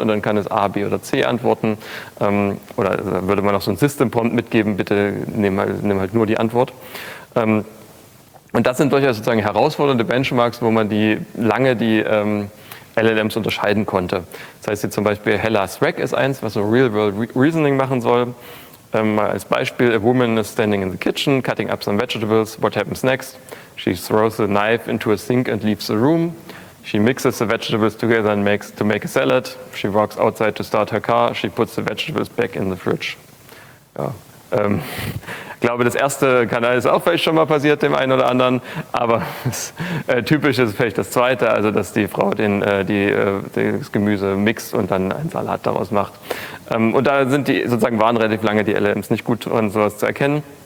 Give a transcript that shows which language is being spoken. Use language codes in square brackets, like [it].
[de] Und dann kann es A, B oder C antworten. Oder da würde man noch so ein System-Prompt mitgeben, bitte nimm halt nur die Antwort. Und das sind durchaus sozusagen herausfordernde Benchmarks, wo man LLMs unterscheiden konnte. Das heißt hier zum Beispiel Hella's Rack ist eins, was so Real-World-Reasoning machen soll. Mal als Beispiel, [en] a woman is standing in the kitchen, cutting up some vegetables. What happens next? She throws a knife into a sink and leaves the room. She mixes the vegetables together and makes a salad. She walks outside to start her car. She puts the vegetables back in the fridge. [de] Ja. Ich glaube, das erste Kanal ist auch vielleicht schon mal passiert, dem einen oder anderen, aber typisch ist vielleicht das zweite, also dass die Frau das Gemüse mixt und dann einen Salat daraus macht. Und da sind die sozusagen waren relativ lange die LLMs nicht gut, um sowas zu erkennen.